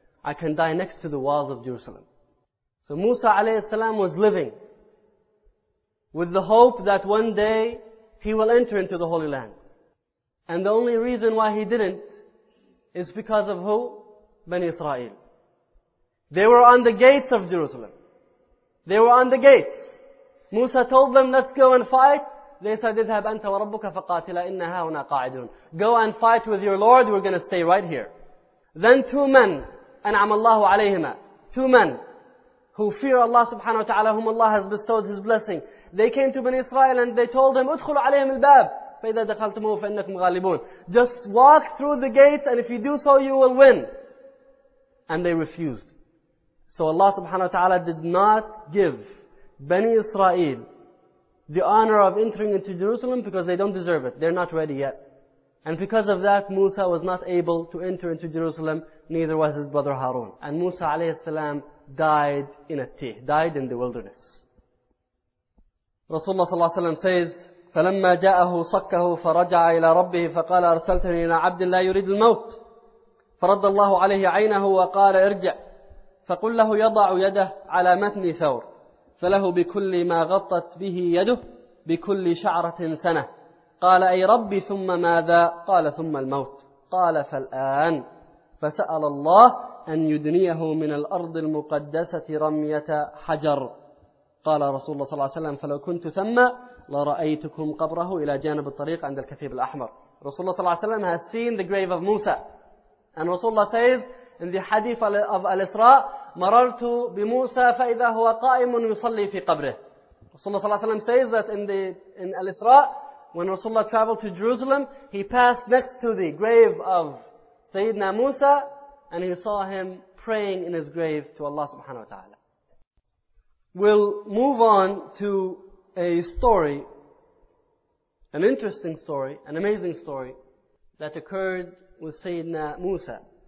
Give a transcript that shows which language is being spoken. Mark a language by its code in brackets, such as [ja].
[en] I can die next to the walls of Jerusalem. So Musa alayhi salam was living with the hope that one day he will enter into the Holy Land. And the only reason why he didn't is because of who? Bani Israel. They were on the gates of Jerusalem. They were on the gates. Musa told them, let's go and fight. They said, [ar] اذهب أنت وربك فقاتلا إن هاونا قاعدون. [en] Go and fight with your Lord, we're going to stay right here. Then two men, [ar] أنعم الله عليهما, [en] two men who fear Allah subhanahu wa ta'ala, whom Allah has bestowed His blessing, they came to Bani Israel and they told him, [ar] ادخلوا عليهم الباب فإذا دخلتموه فإنكم غالبون. [en] Just walk through the gates and if you do so, you will win. And they refused. So Allah subhanahu wa ta'ala did not give Bani Israel the honor of entering into Jerusalem because they don't deserve it. They're not ready yet. And because of that, Musa was not able to enter into Jerusalem, neither was his brother Harun. And Musa alayhi salam died in a tih, died in the wilderness. Rasulullah sallallahu alayhi wa sallam says, [ar] فَلَمَّا جَاءَهُ صَكَّهُ فَرَجَعَ إِلَىٰ رَبِّهِ فَقَالَ أَرْسَلْتَنِي إِلَىٰ عَبْدٍ لَا يُرِيدُ الْمَوْتِ فَرَدَّ اللَّهُ عَلَيْهِ عَيْنَهُ وَقَالَ ارْجِعْ فَقُلْ لَهُ يَضَعُ يَدَهُ عَلَى مَتْنِ ثَوْرٍ فله بكل ما غطت به يده بكل شعرة سنة قال أي ربي ثم ماذا قال ثم الموت قال فالآن فسأل الله أن يدنيه من الأرض المقدسة رمية حجر قال رسول الله صلى الله عليه وسلم فلو كنت ثم لرأيتكم قبره إلى جانب الطريق عند الكثيب الأحمر رسول الله صلى الله عليه وسلم [en] has seen the grave of Musa and Rasulullah says in the hadith of Al-Isra [ar] مررت بموسى فإذا هو قائم يصلي في قبره. [en] Rasulullah [ar] صلى الله عليه وسلم [en] says that in Al-Isra, when Rasulullah traveled to Jerusalem, he passed next to the grave of Sayyidina Musa and he saw him praying in his grave to Allah subhanahu wa ta'ala. We'll move on to a story, an interesting story, an amazing story that occurred with Sayyidina Musa.